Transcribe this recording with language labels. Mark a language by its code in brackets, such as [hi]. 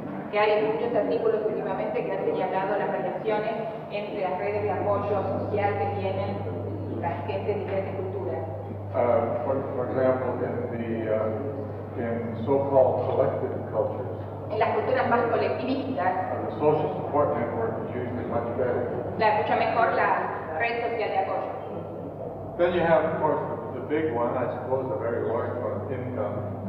[es] Que hay muchos artículos últimamente que han señalado las relaciones entre las redes de apoyo social que tienen la gente de diferentes culturas. [en] For example, in the in so-called collective cultures. [es] En las culturas más colectivistas. [en] The social support network is usually much better. [es] La escucha mejor la red social de apoyo. [en] Then you have, of course, the big one, I suppose, a very large one, income.